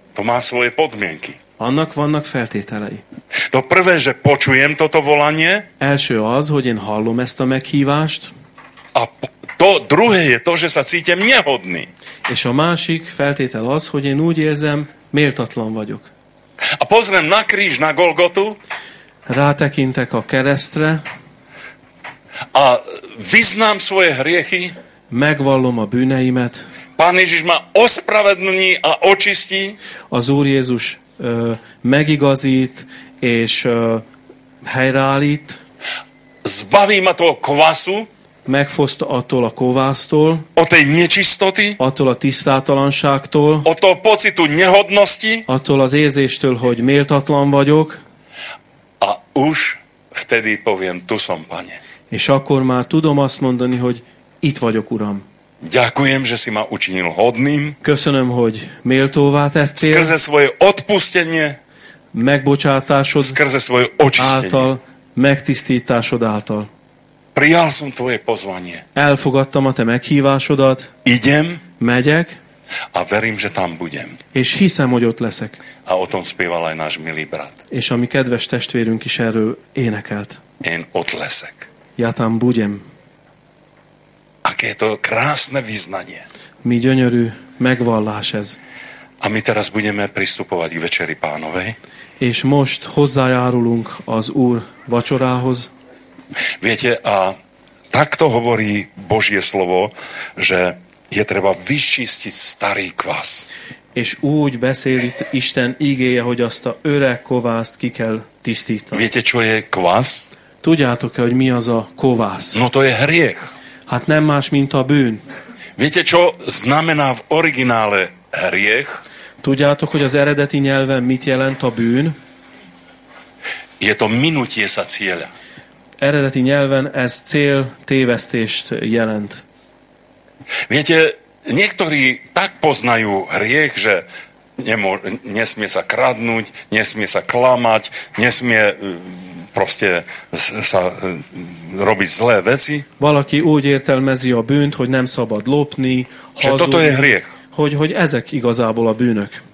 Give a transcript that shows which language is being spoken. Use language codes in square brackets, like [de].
[sk] To má svoje podmienky. [hu] Annak vannak feltételei. [sk] To prvé, že počujem toto volanie. [hu] Első az, hogy én hallom ezt a meghívást. [sk] A to druhé je to, že sa cítim nehodný. [hu] És a másik feltétel az, hogy én úgy érzem, méltatlan vagyok. [sk] A pozrem na kríž, na Golgotu. [hu] Rátekintek a keresztre. [sk] A vyznám svoje hriechy. [hu] Megvallom a bűneimet. [sk] Pán Ježiš ma ospravedlní a očistí. [hu] Az Úr Jézus megigazít és helyreállít. [sk] Zbaví ma toho kvasu. [hu] Megfoszt attól a kovásztól. [sk] O tej nečistoty. [hu] Attól a tisztátalanságtól. [sk] O toho pocitu nehodnosti. [hu] Attól az érzéstől, hogy méltatlan vagyok. [sk] A už vtedy poviem, tu som, Pane. [hu] És akkor már tudom azt mondani, hogy itt vagyok, Uram. [sk] Ďakujem, že si ma učinil hodným. [hu] Köszönöm, hogy méltóvá tettél. [sk] Skrze svoje odpustenie. [hu] Megbocsátásod. [sk] Skrze svoje očistenie. [hu] Által, megtisztításod által. [sk] Prijal som tvoje pozvanie. [hu] Elfogadtam a te meghívásodat. [sk] Idem. [hu] Megyek. [sk] A verím, že tam budem. [hu] És hiszem, hogy ott leszek. [sk] A o tom spieval aj náš milý brat. [hu] És a mi kedves testvérünk is erről énekelt. Én ott leszek. [sk] Ja tam budem. Aké je to krásne vyznanie. [hu] Mi gyönyörű megvallás ez. [sk] A mi teraz budeme pristupovať k večeri Pánovej. [hu] És most hozzájárulunk az Úr vacsorához. [sk] Viete, a takto hovorí Božie slovo, že je treba vyčistiť starý kvas. [hu] És úgy beszél itt Isten ígéje, hogy azt a öreg kovászt ki kell tisztítani. [sk] Viete, čo je kvas? [hu] Tudjátok-e, hogy mi az a kovász? [sk] No to je hriech. [hu] Hát nem más, mint a bűn. [sk] Viete, čo znamená v originále hriech? [hu] Tudjátok, hogy az eredeti nyelven mit jelent a bűn? [sk] Je to minutie sa cieľa. [hu] Eredeti nyelven ez cél tévesztést jelent. [sk] Viete, niektorí tak poznajú hriech, že nesmie sa kradnúť, nesmie sa klamať, nesmie proste sa robiť zlé veci. [hu] Valaki úgy értelmezi a bűnt, hogy nem szabad lopni, hazudni. [sk] Toto je hriech. [hu] Hogy ezek igazából a bűnök.